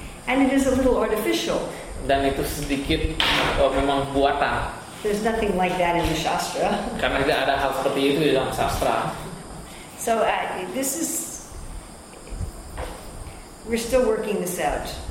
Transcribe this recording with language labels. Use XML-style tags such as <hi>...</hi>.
<en>And it is a little artificial.</en> <id>Dan itu sedikit memang buatan.</id> <en>There's nothing like that in the Shastra.</en> <id>Karena tidak ada hal seperti itu di dalam sastra.</id> <en>So this is, we're still working this out.</en>